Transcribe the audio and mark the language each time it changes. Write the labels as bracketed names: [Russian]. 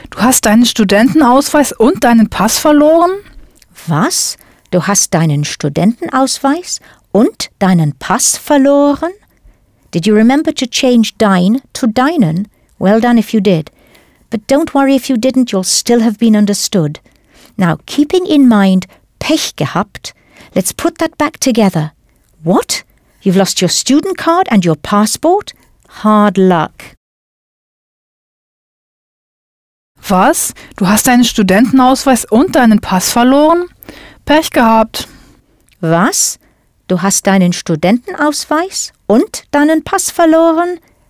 [German] Du hast deinen Studentenausweis und deinen Pass verloren? Was? Du hast deinen Studentenausweis und deinen Pass verloren? [English] Did you remember to change dein to deinen? Well done if you did. But don't worry if you didn't, you'll still have been understood. Now, keeping in mind Pech gehabt, let's put that back together. What? You've lost your student card and your passport? Hard luck. [German] Was? Du hast deinen Studentenausweis und deinen Pass verloren? Pech gehabt. Was? Du hast deinen Studentenausweis und deinen Pass verloren?